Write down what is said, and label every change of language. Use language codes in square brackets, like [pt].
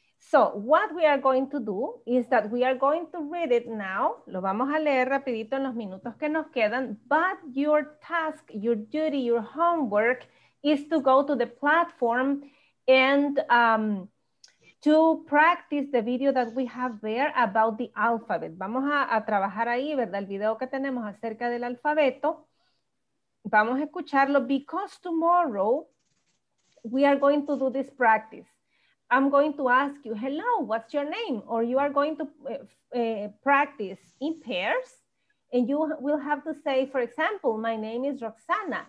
[en] So, what we are going to do is that we are going to read it now. [es] Lo vamos a leer rapidito en los minutos que nos quedan. [en] But your task, your duty, your homework is to go to the platform and to practice the video that we have there about the alphabet. [es] Vamos a trabajar ahí, ¿verdad? El video que tenemos acerca del alfabeto. Vamos a escucharlo [en] because tomorrow we are going to do this practice. [es] I'm going to ask you, hello, what's your name? Or you are going to practice in pairs and you will have to say, for example, my name is Roxana.